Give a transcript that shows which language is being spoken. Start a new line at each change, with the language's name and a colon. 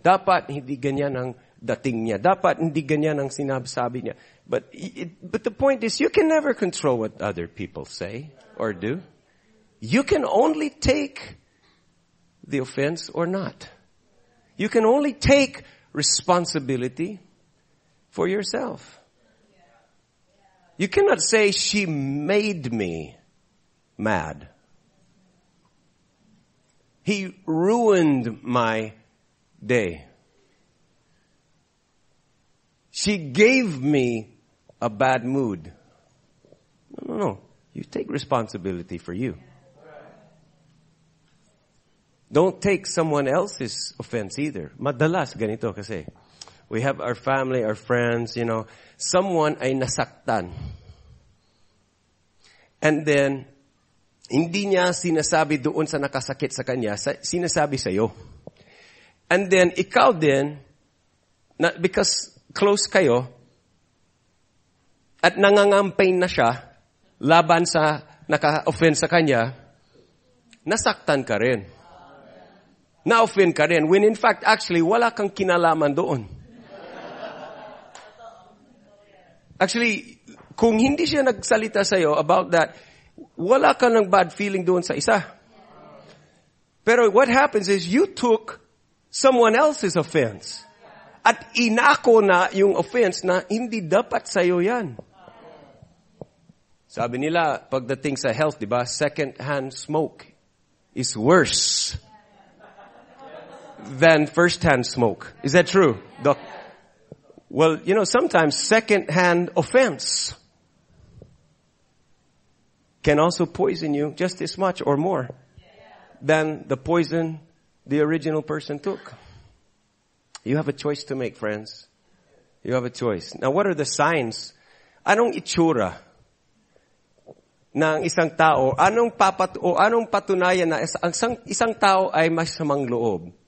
Filipino: Dapat hindi ganyan ang dating niya. Dapat hindi ganyan ang sinabi niya.
English: But the point is, you can never control what other people say or do. You can only take the offense or not. You can only take responsibility for yourself. You cannot say, she made me mad. He ruined my day. She gave me a bad mood. No, no, no. You take responsibility for you. Don't take someone else's offense either.
Filipino: Madalas ganito kasi.
English: We have our family, our friends, you know.
Filipino: Someone ay nasaktan. And then, hindi niya sinasabi doon sa nakasakit sa kanya, sinasabi sa'yo. And then, ikaw din,
English: not because close
Filipino: kayo, at nangangampain na siya, laban sa naka-offend sa kanya, nasaktan ka rin. Na-offend ka rin.
English: When in fact, actually,
Filipino: wala kang kinalaman doon. Actually, kung hindi siya nagsalita sa'yo
English: about that,
Filipino: wala ka ng bad feeling doon sa isa. Pero
English: what happens is you took someone else's offense.
Filipino: At inako na yung offense na hindi dapat sa'yo yan. Sabi nila, pagdating sa health, di ba,
English: second-hand smoke is worse than first-hand smoke. Is that true, Doc? Well, you know, sometimes second-hand offense can also poison you just as much or more than the poison the original person took. You have a choice to make, friends. You have a choice. Now, what are the signs?
Filipino: Anong itsura ng isang tao? Anong patunayan na isang tao ay masamang loob?